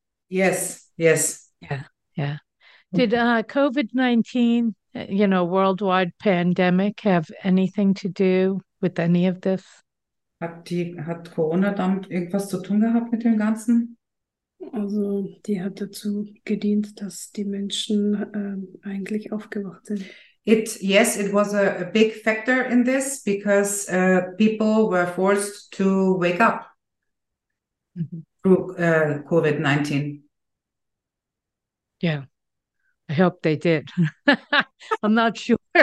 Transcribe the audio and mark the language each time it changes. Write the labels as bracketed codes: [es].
[en] it. Yes, yes. Yeah, yeah. Did COVID-19, you know, worldwide pandemic, have anything to do with any of this? [de] Hat Corona damit irgendwas zu tun gehabt mit dem Ganzen? Also, die hat dazu gedient, dass die Menschen eigentlich aufgewacht sind. [en] It was a big factor in this, because people were forced to wake up through COVID-19. Yeah, I hope they did. I'm not sure.